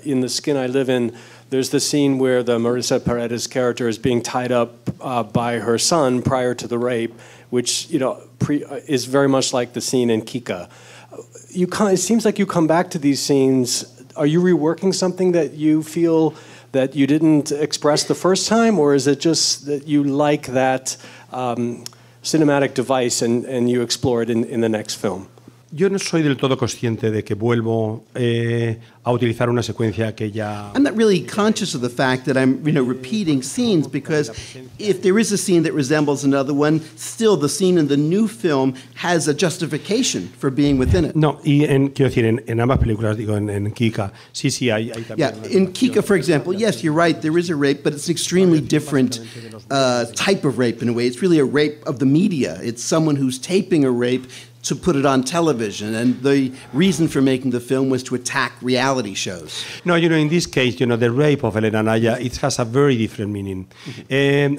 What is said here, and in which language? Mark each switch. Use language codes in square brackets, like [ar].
[en] In The Skin I Live In, there's the scene where the Marisa Paredes character is being tied up by her son prior to the rape, which you know is very much like the scene in Kika. It seems like you come back to these scenes. Are you reworking something that you feel that you didn't express the first time, or is it just that you like that cinematic device and you explore it in the next film? [es] Yo no soy del todo consciente de que vuelvo a utilizar una secuencia que ya... [en] I'm not really conscious of the fact that I'm, you know, repeating scenes, because if there is a scene that resembles another one, still the scene in the new film has a justification for being within it. [es] No, y en, quiero decir, en ambas películas, digo, en Kika, sí, sí, hay también... [en] Yeah, in Kika, for example, yes, you're right, there is a rape, but it's an extremely different type of rape in a way. It's really a rape of the media. It's someone who's taping a rape to put it on television, and the reason for making the film was to attack reality shows. No, you know, in this case, you know, the rape of Elena Naya, it has a very different meaning. Mm-hmm.